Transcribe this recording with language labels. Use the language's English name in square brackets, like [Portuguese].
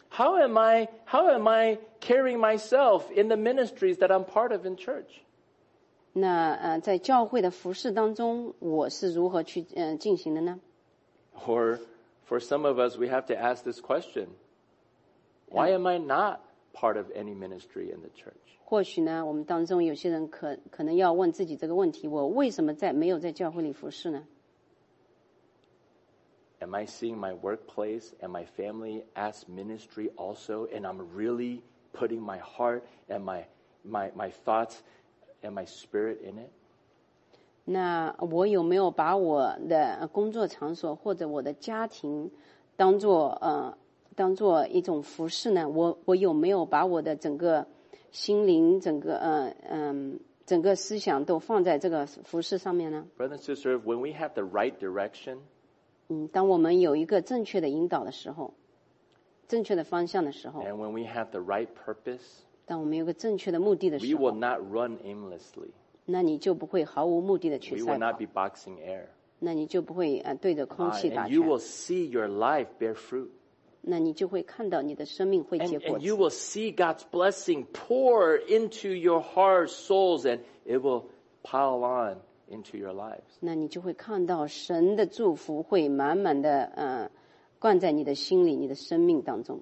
[English] How am I carrying myself in the ministries that I'm part of in church? [Chinese] 那在教会的服事当中，我是如何去进行的呢？ [English] Or for some of us, we have to ask this question: Why am I not part of any ministry in the church? [Chinese] 或许呢，我们当中有些人可能要问自己这个问题：我为什么没有在教会里服事呢？ [English] Am I seeing my workplace and my family as ministry also, and I'm really putting my heart and my thoughts? And my spirit in it? [Chinese] 那我有没有把我的工作场所或者我的家庭当作一种服侍呢？我有没有把我的整个心灵、整个思想都放在这个服侍上面呢？ [English] Brothers and sisters, when we have the right direction, [Chinese] 当我们有一个正确的引导的时候，正确的方向的时候 [English] ，and when we have the right purpose. [Chinese] 当我们有个正确的目的的时候 [English] ，We will not run aimlessly. [Chinese] 那你就不会毫无目的的去赛跑。 [English] We will not be boxing air. [Chinese] 那你就不会对着空气打拳。 [English] And you will see your life bear fruit. [Chinese] 那你就会看到你的生命会结果子。 [English] And you will see God's blessing pour into your heart, souls, and it will pile on into your lives. [Chinese] 那你就会看到神的祝福会满满的灌在你的心里，你的生命当中。